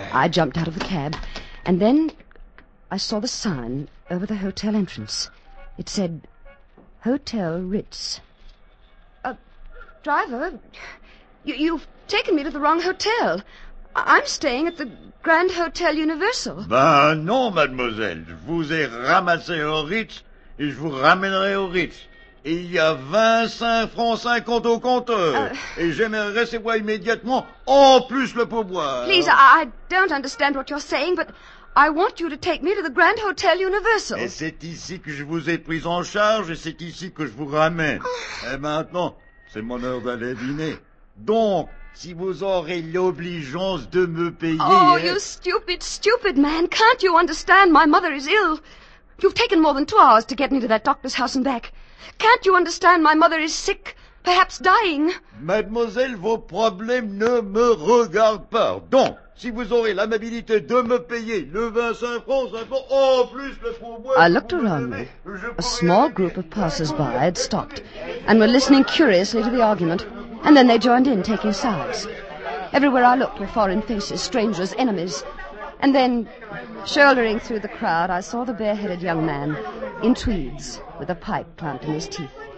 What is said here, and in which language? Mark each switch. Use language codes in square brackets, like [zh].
[en] I jumped out of the cab, and then I saw the sign over the hotel entrance. It said... Hotel Ritz. Driver, you've taken me to the wrong hotel. I'm staying at the Grand Hotel Universal. [fr] Ben non, mademoiselle. Je vous ai ramassé au Ritz et je vous ramènerai au Ritz. Et il y a 25 francs 50 au compteur. Et j'aimerais savoir immédiatement en plus le pourboire. [en] Please, I don't understand what you're saying, but I want you to take me to the Grand Hotel Universal. [fr] Et c'est ici que je vous ai pris en charge et c'est ici que je vous ramène. Et maintenant, c'est mon heure d'aller dîner. Donc, si vous aurez l'obligeance de me payer... [en] Oh, you stupid, stupid man. Can't you understand? My mother is ill. You've taken more than 2 hours to get me to that doctor's house and back. Can't you understand? My mother is sick, perhaps dying. [fr] Mademoiselle, vos problèmes ne me regardent pas. Donc, si vous aurez l'amabilité de me payer le 25 francs, ça va en plus le pourboire. [en] I looked around me. A small group of passers-by had stopped and were listening curiously to the argument. And then they joined in, taking sides. Everywhere I looked were foreign faces, strangers, enemies. And then, shouldering through the crowd, I saw the bareheaded young man in tweeds with a pipe clamped in his teeth.